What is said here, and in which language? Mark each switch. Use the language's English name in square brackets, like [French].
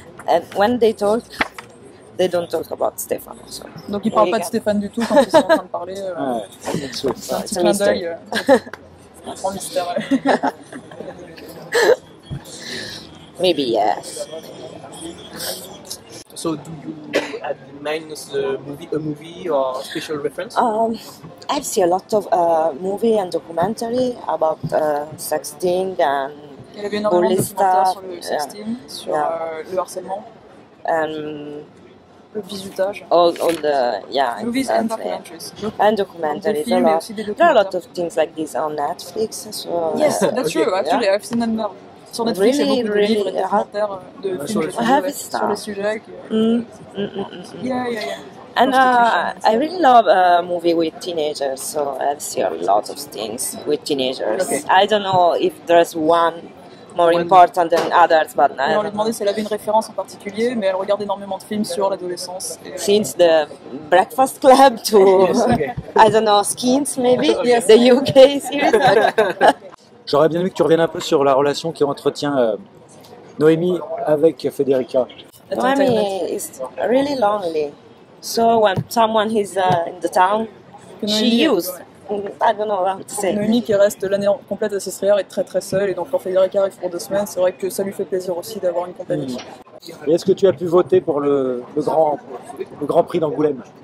[English] And when they talk, they don't talk about Stefan. Also. [French] Donc ils parlent pas de Stefan du tout quand ils sont en train de parler. Ouais. C'est un petit clin d'œil. [English] Maybe yes. So, do you have in mind a movie or special reference? I've seen a lot of movie and documentary about sexting and bully stuff. [French] Le harcèlement. Le bizutage. [English] All the yeah. Movies and documentaries. And documentaries. Films, there are a lot of things like this on Netflix. So, yes, that's true. Actually, yeah. I've seen them there. [French] Sur Netflix, [English] really, [French] il y a beaucoup [English] really, [French] de livres et de documentaires de films sur le sujet. [English] I really love a movie with teenagers. So I've seen a lot of things with teenagers. Okay. I don't know if there's one. More important than others, but [French] on lui demandait si elle avait une référence en particulier, mais elle regarde énormément de films sur l'adolescence. [English] Since the Breakfast Club to I don't know Skins maybe yes. The UK series. [French] J'aurais bien aimé que tu reviennes un peu sur la relation qui entretient Noémie avec Federica. [English] Noémie is really lonely, so when someone is in the town, she used. I don't know what to say. [French] Noémie qui reste l'année complète à Sestriere est très très seule, et donc quand Federica arrive pour deux semaines, c'est vrai que ça lui fait plaisir aussi d'avoir une compagnie. Et est-ce que tu as pu voter pour le grand prix d'Angoulême?